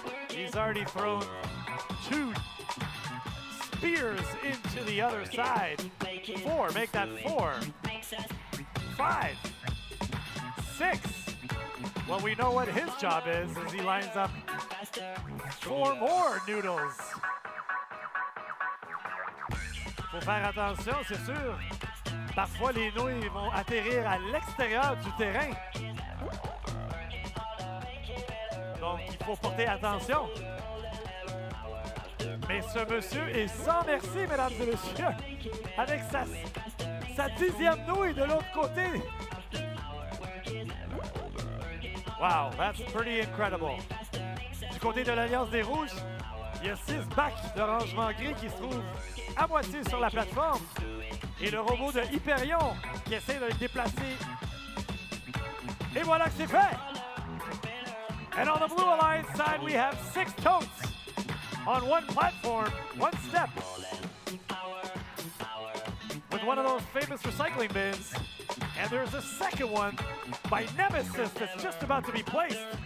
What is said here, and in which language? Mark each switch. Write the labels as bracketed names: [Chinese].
[English] He's already thrown two spears into the other side. Four, make that four. Five, six. Well, we know what his job is as he lines up four more noodles. [French] Faut faire attention, c'est sûr. Parfois, les nouilles vont atterrir à l'extérieur du terrain. Donc, il faut porter attention. Mais ce monsieur est sans merci, mesdames et messieurs, avec sa dixième nouille de l'autre côté. [English] Wow, that's pretty incredible. [French] Du côté de l'Alliance des Rouges, il y a six bacs de rangement gris qui se trouvent à moitié sur la plateforme. Et le robot de Hyperion qui essaie de le déplacer. Et voilà que c'est fait! [English] And on the Blue Alliance side, we have six totes on one platform, one step. With one of those famous recycling bins. And there's a second one by Nemesis that's just about to be placed.